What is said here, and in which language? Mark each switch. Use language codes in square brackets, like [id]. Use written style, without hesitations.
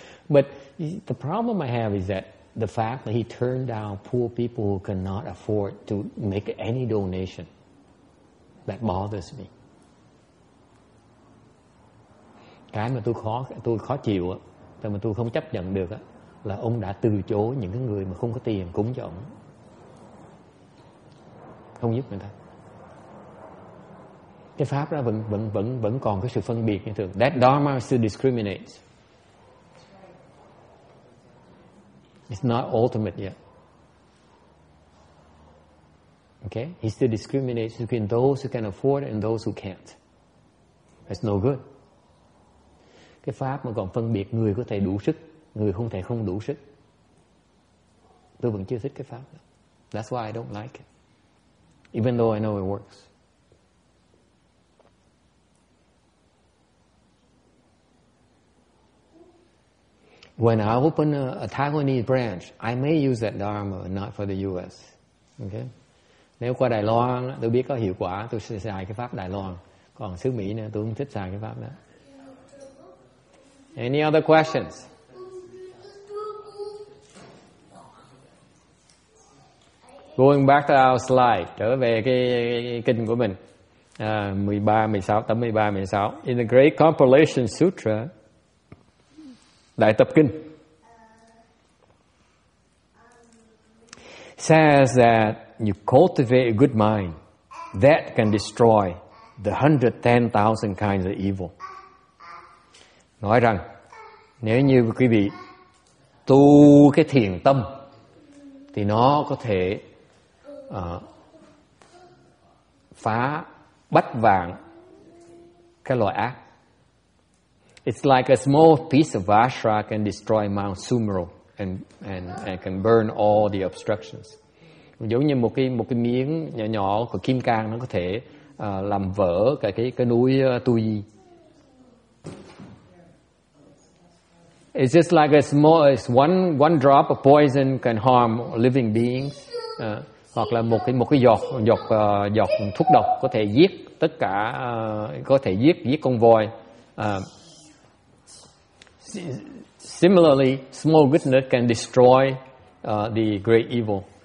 [en] But the problem I have is that the fact that he turned down poor people who cannot afford to make any donation, that bothers me. [vi] cái mà tôi khó chịu á, mà tôi không chấp nhận được á, là ông đã từ chối những cái người mà không có tiền cúng cho ông, không giúp người ta. Cái pháp đó vẫn còn cái sự phân biệt như thường. [en] That dharma still discriminates. It's not ultimate yet. Okay? He still discriminates between those who can afford and those who can't. That's no good. [vi] Cái pháp mà còn phân biệt người có thể đủ sức, người không thể không đủ sức. Tôi vẫn chưa thích cái pháp đó. [en] That's why I don't like it. Even though I know it works. When I open a Taiwanese branch, I may use that dharma, not for the U.S. Okay? [vi] Nếu qua Đài Loan, tôi biết có hiệu quả, tôi sẽ xài cái pháp Đài Loan. Còn xứ Mỹ nữa, tôi không thích xài cái pháp đó. [en] Any other questions? Going back to our slide, [vi] trở về cái kinh của mình. [en] 13, 16. In the Great Compilation Sutra, Đại Tập Kinh says that you cultivate a good mind that can destroy the 110,000 kinds of evil. [vi] Nói rằng nếu như quý vị tu cái thiện tâm thì nó có thể phá bách vạn cái loại ác. [en] It's like a small piece of vajra can destroy Mount Sumeru and can burn all the obstructions. [vi] Giống như một cái miếng nhỏ nhỏ của kim cang nó có thể làm vỡ cái núi Tu Yi. [en] It's just like one drop of poison can harm living beings. [vi] Hoặc là một cái giọt thuốc độc có thể giết tất cả giết con voi. [en] Similarly, small goodness can destroy the great evil.